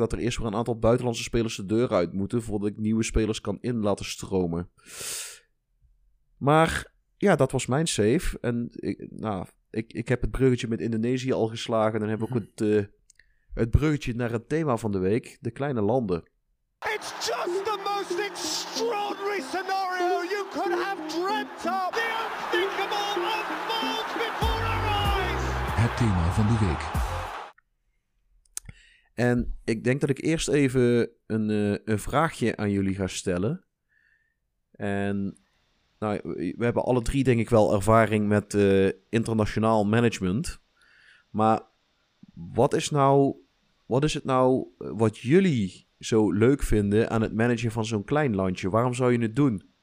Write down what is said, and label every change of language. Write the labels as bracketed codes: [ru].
[nl] Dat er eerst weer een aantal buitenlandse spelers de deur uit moeten. Voordat ik nieuwe spelers kan in laten stromen. Maar ja, dat was mijn save. En ik heb het bruggetje met Indonesië al geslagen. Dan heb ik ook het bruggetje naar het thema van de week, de kleine landen. [en] It's just the most extraordinary scenario you could have dreamt of. The unthinkable unfolds before our eyes. [nl] Het thema van de week. En ik denk dat ik eerst even een vraagje aan jullie ga stellen. En nou, we hebben alle 3 denk ik wel ervaring met internationaal management. Maar wat is het nou wat jullie zo leuk vinden aan het managen van zo'n klein landje? Waarom zou je het doen?